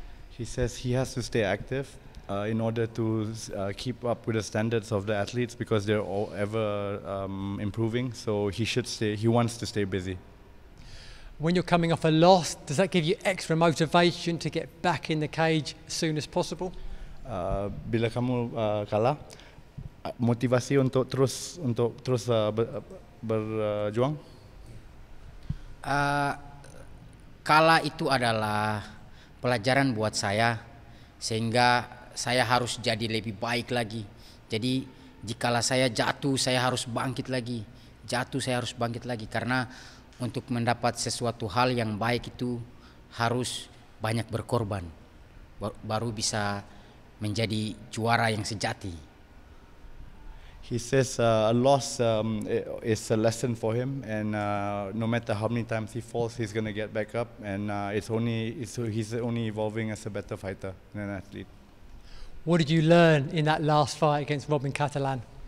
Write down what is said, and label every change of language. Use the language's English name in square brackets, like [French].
[English] He says he has to stay active in order to keep up with the standards of the athletes because they're all ever improving. So he should stay. He wants to stay busy. When you're coming off a loss, does that give you extra motivation to get back in the cage as soon as possible? [Indonesian] Bila kamu kalah, motivasi untuk terus berjuang? Kalah itu adalah pelajaran buat saya, sehingga saya harus jadi lebih baik lagi. Jadi jikalah saya jatuh, saya harus bangkit lagi. Jatuh, saya harus bangkit lagi. Karena untuk mendapat sesuatu hal yang baik itu harus banyak berkorban, baru bisa menjadi juara yang sejati. [English] He says a loss is a lesson for him, and no matter how many times he falls, he's going to get back up, and he's only evolving as a better fighter and an athlete. What did you learn in that last fight against Robin Catalan?